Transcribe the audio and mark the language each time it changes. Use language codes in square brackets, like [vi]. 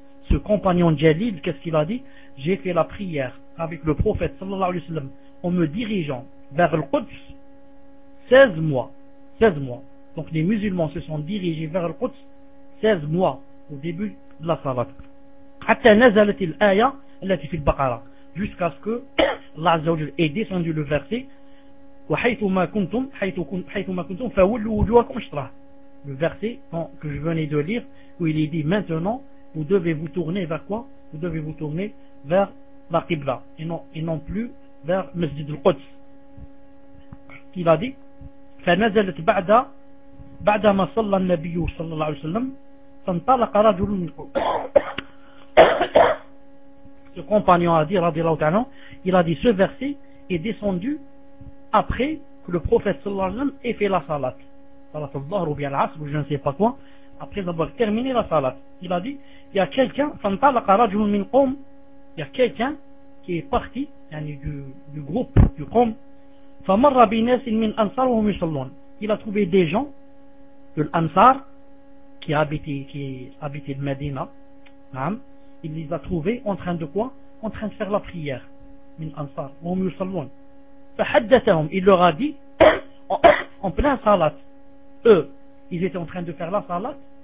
[fr] Ce compagnon Jalil, qu'est-ce qu'il a dit? J'ai fait la prière avec le prophète [ar] صلى الله عليه وسلم [fr] en me dirigeant vers le Quds 16 mois. Donc les musulmans se sont dirigés vers le Quds 16 mois au début de la salat. [ar] حتى نزلت الآية التي في البقرة. [fr] Jusqu'à ce que Allah Azza wa Jalla ait descendu le verset [ar] وحيثما كنتم فولوا وجوهكم شطره. [fr] le verset que je venais de lire, où il est dit maintenant, vous devez vous tourner vers quoi? Vous devez vous tourner vers la Qibla, et non plus vers Masjid al-Quds. Qu'il a dit, [ar] فنزلت بعدما صلى النبي صلى الله عليه وسلم فانطلق رجل من قوم. [fr] Ce compagnon a dit, radiallahu ta'ala, il a dit, ce verset est descendu après que le prophète sallallahu alayhi wa sallam ait fait la salat. Salat al-dhahr ou bien al-asr, ou je ne sais pas quoi, après avoir terminé la salat. Il a dit, il y a quelqu'un, [ar] فانطلق رجل من قوم, [fr] il y a quelqu'un qui est parti, yani du groupe, du قوم. [ar] فمر بناس من أنصار وهم يصلون. [fr] Il a trouvé des gens de l'Ansar qui habitaient le Medina. Il les a trouvés en train de quoi? En train de faire la prière. [ar] من أنصار وهم يصلون. فحدثهم. [fr] Il leur a dit en plein salat. Eux, ils étaient en train de faire la salat.